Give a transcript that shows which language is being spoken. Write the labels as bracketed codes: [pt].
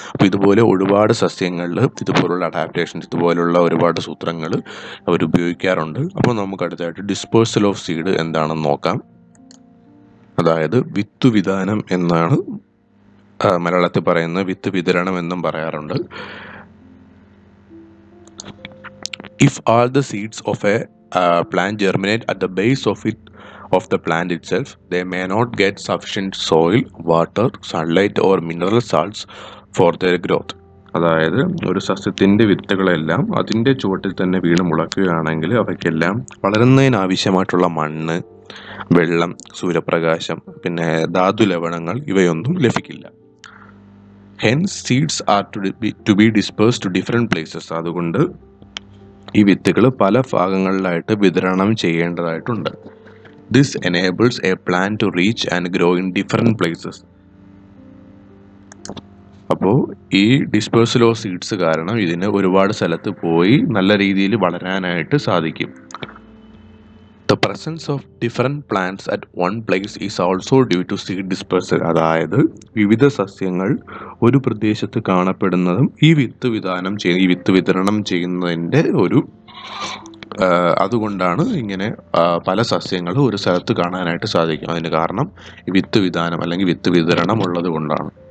[ml] അപ്പോൾ ഇതുപോലെ ഒരുപാട് സസ്യങ്ങളിൽ ഇതുപോലുള്ള അഡാപ്റ്റേഷൻസ് ഇതുപോലുള്ള ഒരുപാട് സൂത്രങ്ങൾ അവരുപയോഗിക്കാറുണ്ട്. അപ്പോൾ നമുക്ക് അടുത്തായിട്ട് ഡിസ്പേഴ്സൽ ഓഫ് സീഡ് എന്താണെന്ന് നോക്കാം. അതായത് വിത്ത് വിതാനം എന്നാണ് മലയാളത്തിൽ പറയുന്നത്, വിത്ത് വിതരണം എന്നും പറയാറുണ്ട്. [en] If all the seeds of a plant germinate at the base of it of the plant itself, they may not get sufficient soil, water, sunlight or mineral salts for their growth. [ml] അതായത് ഒരു സസ്യത്തിൻ്റെ വിത്തുകളെല്ലാം അതിൻ്റെ ചുവട്ടിൽ തന്നെ വീണ് മുളക്കുകയാണെങ്കിൽ അവയ്ക്കെല്ലാം വളരുന്നതിനാവശ്യമായിട്ടുള്ള മണ്ണ്, വെള്ളം, സൂര്യപ്രകാശം, പിന്നെ ധാതു ലവണങ്ങൾ ഇവയൊന്നും ലഭിക്കില്ല. [en] Hence seeds are to be dispersed to different places. [ml] അതുകൊണ്ട് ഈ വിത്തുകൾ പല ഭാഗങ്ങളിലായിട്ട് വിതരണം ചെയ്യേണ്ടതായിട്ടുണ്ട്. [en] This enables a plant to reach and grow in different places. [ml] അപ്പോൾ ഈ ഡിസ്പേഴ്സൽ ഓഫ് സീഡ്സ് കാരണം ഇതിന് ഒരുപാട് സ്ഥലത്ത് പോയി നല്ല രീതിയിൽ വളരാനായിട്ട് സാധിക്കും. [en] The presence of different plants at one place is also due to seed dispersal. [ml] അതായത് വിവിധ സസ്യങ്ങൾ ഒരു പ്രദേശത്ത് കാണപ്പെടുന്നതും ഈ വിത്ത് വിതാനം ചെയ്യുന്ന ഈ വിത്ത് വിതരണം ചെയ്യുന്നതിൻ്റെ ഒരു അതുകൊണ്ടാണ് ഇങ്ങനെ പല സസ്യങ്ങളും ഒരു സ്ഥലത്ത് കാണാനായിട്ട് സാധിക്കും. അതിന് കാരണം വിത്ത് വിതാനം അല്ലെങ്കിൽ വിത്ത് വിതരണം ഉള്ളത് കൊണ്ടാണ്.